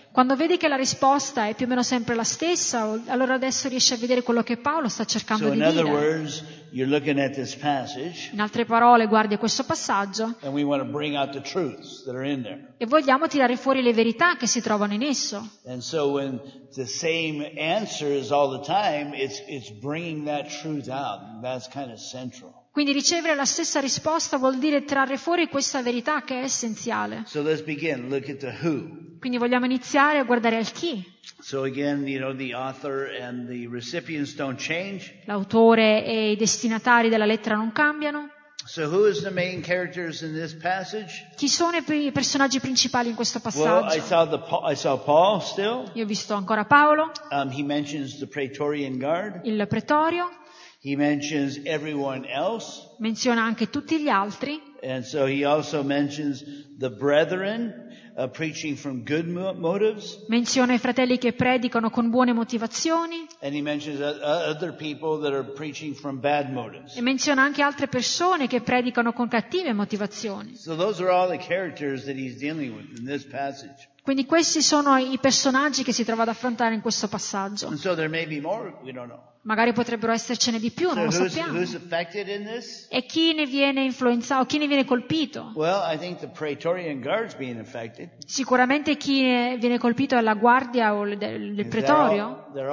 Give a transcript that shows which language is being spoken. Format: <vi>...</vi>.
<it>Quando vedi che la risposta è più o meno sempre la stessa, allora adesso riesci a vedere quello che Paolo sta cercando di dire.</it> <en>Words, you're looking at this passage,</en> <it>in altre parole, guardi questo passaggio.</it> <en>And we want to bring out the truths that are in there.</en> <it>E vogliamo tirare fuori le verità che si trovano in esso.</it> <en>And so when the same answer is all the time, it's bringing that truth out. That's kind of central.</en> <it>Quindi ricevere la stessa risposta vuol dire trarre fuori questa verità che è essenziale.</it> <en>So let's begin, look at the who.</en> <it>Quindi vogliamo iniziare a guardare al chi.</it> <en>So again, you know, the author and the recipients don't change.</en> <it>L'autore e i destinatari della lettera non cambiano.</it> <en>So who is the main characters in this passage?</en> <it>Chi sono i personaggi principali in questo passaggio?</it> <en>Well, I saw Paul still.</en> <it>Io ho visto ancora Paolo.</it> <en>He mentions the Praetorian Guard.</en> <it>Il pretorio.</it> <en>He mentions everyone else.</en> <it>Menziona anche tutti gli altri.</it> <en>And so he also mentions the brethren preaching from good motives.</en> <it>Menziona i fratelli che predicano con buone motivazioni.</it> <en>And he mentions other people that are preaching from bad motives.</en> <it>E menziona anche altre persone che predicano con cattive motivazioni.</it> <en>So those are all the characters that he's dealing with in this passage.</en> <it>Quindi questi sono i personaggi che si trova ad affrontare in questo passaggio.</it> <en>And so there may be more, we don't know.</en> <it>Magari potrebbero essercene di più, non lo sappiamo.</it> <en>Who's affected in this?</en> <it>E chi ne viene influenzato, chi ne viene colpito?</it> <en>Well, I think the Praetorian Guard's being affected.</en> <it>Sicuramente chi viene colpito è la guardia o del pretorio.</it>